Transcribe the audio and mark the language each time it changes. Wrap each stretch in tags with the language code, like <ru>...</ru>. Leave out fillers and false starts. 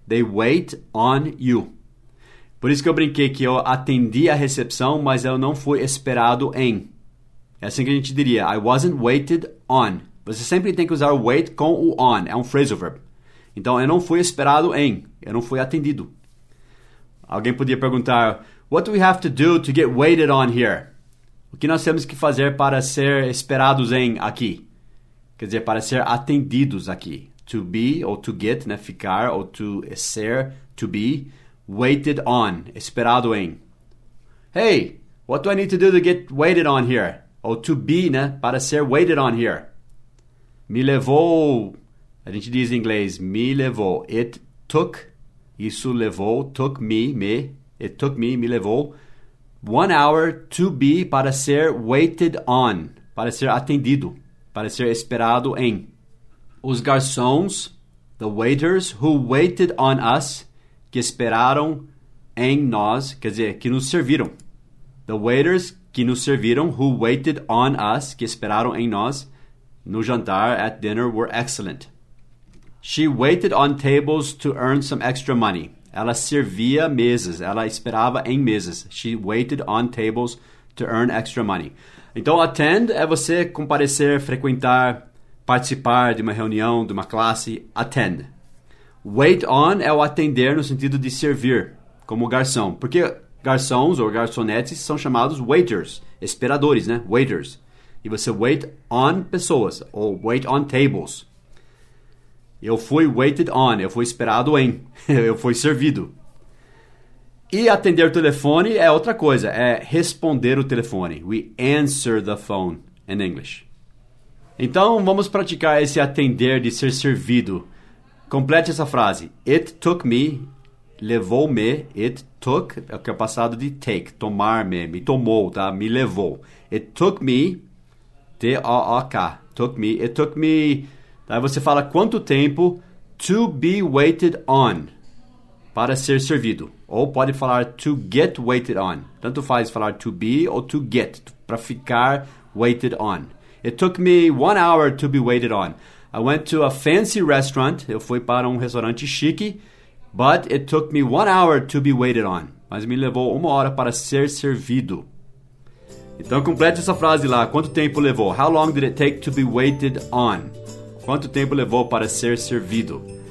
<en>They wait on you.</en> <pt>Por isso que eu brinquei que eu atendi a recepção, mas eu não fui esperado em. É assim que a gente diria.</pt> <en>I wasn't waited on.</en> <pt>Você sempre tem que usar wait com o on. É um phrasal verb. Então, eu não fui esperado em. Eu não fui atendido. Alguém podia perguntar, what do we have to do to get waited on here? O que nós temos que fazer para ser esperados em aqui? Quer dizer, para ser atendidos aqui.</pt> <en>To be, ou to get,</en> <pt>né? Ficar, ou</pt> <en>to ser, to be, waited on,</en> <pt>esperado em.</pt> <en>Hey, what do I need to do to get waited on here? Ou to be, né?</en> <pt>Para ser</pt> <en>waited on here.</en> <pt>Me levou, a gente diz em inglês, me levou.</pt> <en>It took,</en> <pt>isso levou,</pt> <en>took me, it took me levou. 1 hour to be,</en> <pt>para ser</pt> <en>waited on,</en> <pt>para ser atendido. Para ser esperado em. Os garçons,</pt> <en>the waiters, who waited on us,</en> <pt>que esperaram em nós, quer dizer, que nos serviram.</pt> <en>The waiters</en> <pt>que nos serviram,</pt> <en>who waited on us,</en> <pt>que esperaram em nós, no jantar,</pt> <en>at dinner, were excellent. She waited on tables to earn some extra money.</en> <pt>Ela servia mesas, ela esperava em mesas.</pt> <en>She waited on tables to earn extra money.</en> <pt>Então, attend é você comparecer, frequentar, participar de uma reunião, de uma classe. Attend. Wait on é o atender no sentido de servir, como garçom. Porque garçons ou garçonetes são chamados waiters, esperadores, né? Waiters. E você wait on pessoas, ou</pt> <en>wait on tables.</en> <pt>Eu fui waited on, eu fui esperado em, eu fui servido. E atender o telefone é outra coisa, é responder o telefone.</pt> <en>We answer the phone in English.</en> <pt>Então, vamos praticar esse atender de ser servido. Complete essa frase.</pt> <en>It took me,</en> <pt>levou-me,</pt> <en>it took,</en> <pt>é o que é o passado de take, tomar-me, me tomou, tá? Me levou.</pt> <en>It took me, T-O-O-K, took me, it took me, tá?</en> <pt>Você fala quanto tempo</pt> <en>to be waited on,</en> <pt>para ser servido. Ou pode falar</pt> <en>to get waited on.</en> <pt>Tanto faz falar to be ou to get, para ficar</pt> <en>waited on. It took me 1 hour to be waited on. I went to a fancy restaurant.</en> <pt>Eu fui para um restaurante chique.</pt> <en>But it took me 1 hour to be waited on.</en> <pt>Mas me levou 1 hora para ser servido. Então complete essa frase lá. Quanto tempo levou?</pt> <en>How long did it take to be waited on?</en> <pt>Quanto tempo levou para ser servido?</pt>